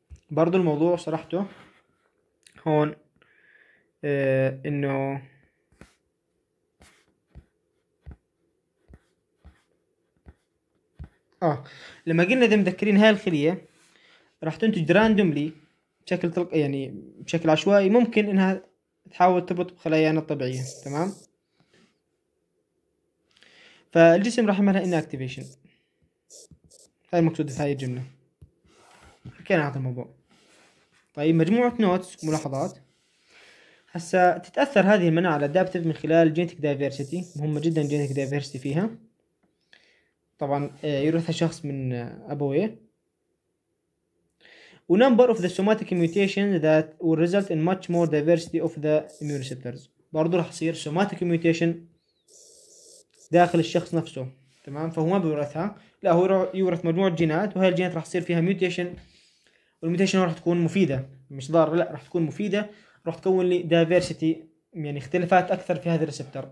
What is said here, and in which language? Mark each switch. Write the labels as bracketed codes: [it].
[ar] برضه الموضوع صراحته هون انه لما قلنا اذا مذكرين هاي الخليه راح تنتج راندوملي بشكل يعني بشكل عشوائي، ممكن انها تحاول تربط بخلايانا الطبيعيه، تمام؟ فالجسم راح يعملها ان اكتيفيشن. هاي المقصود في هاي الجمله، حكينا هذا الموضوع. طيب مجموعه نوتس ملاحظات. هسا تتاثر هذه المناعه الادابتيف من خلال جينيتك دايفرسيتي، مهمه جدا جينيتك دايفرسيتي فيها. طبعا يورث الشخص من ابويه، [en] و number of the somatic mutations that will result in much more diversity of the immune receptors. [ar] برضو راح يصير somatic mutation داخل الشخص نفسه، تمام؟ فهو ما بيورثها، لا هو يورث مجموعة جينات، وهي الجينات راح يصير فيها mutation، والميوتيشن راح تكون مفيدة مش ضارة، لا راح تكون مفيدة، راح تكون لي diversity يعني اختلافات أكثر في هذا الريسبتر.